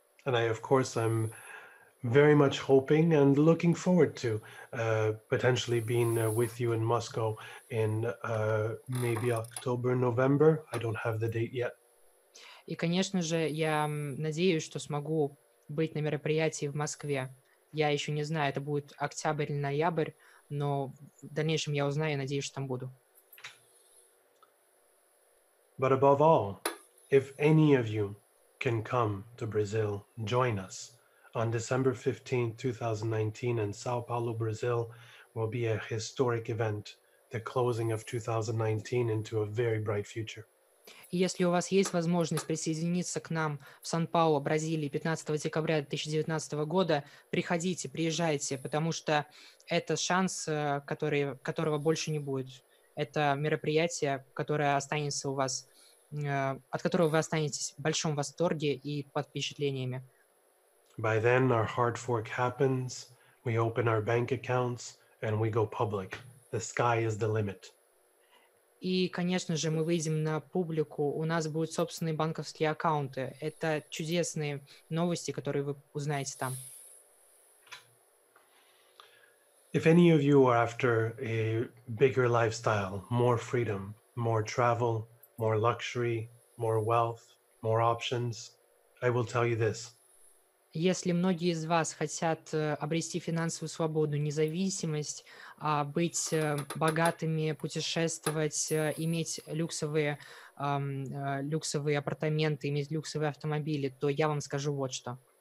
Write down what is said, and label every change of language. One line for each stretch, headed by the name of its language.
English: And I, of course, I'm very much hoping and looking forward to potentially being with you in Moscow in maybe October, November. I don't have the date yet.
Russian: И, конечно же, я надеюсь, что смогу быть на мероприятии в Москве. Я еще не знаю, это будет октябрь или ноябрь, но в дальнейшем я узнаю, и надеюсь, что там буду.
English: But above all, if any of you can come to Brazil, join us. On December 15th, 2019, in Sao Paulo, Brazil, will be a historic event, the closing of 2019 into a very bright future.
Russian: Если у вас есть возможность присоединиться к нам в Сан-Пауло, Бразилии, 15 декабря 2019 года, приходите, приезжайте, потому что это шанс, которого больше не будет. Это мероприятие, которое останется у вас, от которого вы останетесь в большом восторге и под впечатлениями.
English: By then, our hard fork happens, we open our bank accounts, and we go public. The sky is the limit.
Russian: И, конечно же, мы выйдем на публику, у нас будут собственные банковские аккаунты. Это чудесные новости, которые вы узнаете там.
English: If any of you are after a bigger lifestyle, more freedom, more travel, more luxury, more wealth, more options, I will tell you this.
Russian: Если многие из вас хотят обрести финансовую свободу, независимость, быть богатыми, путешествовать, иметь люксовые люксовые апартаменты, иметь люксовые автомобили, то я вам скажу вот что.